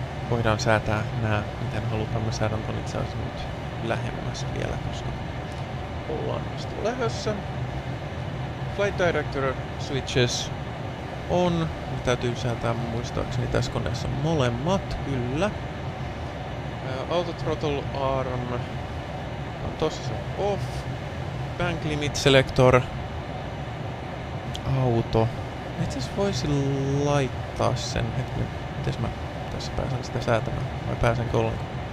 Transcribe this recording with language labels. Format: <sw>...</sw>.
<fi>Voidaan säätää nää, miten halutaan. Mä säädän ton itse asiassa nyt lähemmäs vielä, koska ollaan vasta lähdössä.</fi> <en>Flight director switches on.</en> <fi>Me täytyy säätää muistaakseni tässä koneessa molemmat, kyllä.</fi> <en>Autothrottle arm on tossa se off. Bank limit selector.</en> <fi>Auto. Itse asiassa voisin laittaa sen, että nyt mä tässä pääsen sitä säätämään. Vai pääsenkö ollenkaan?</fi>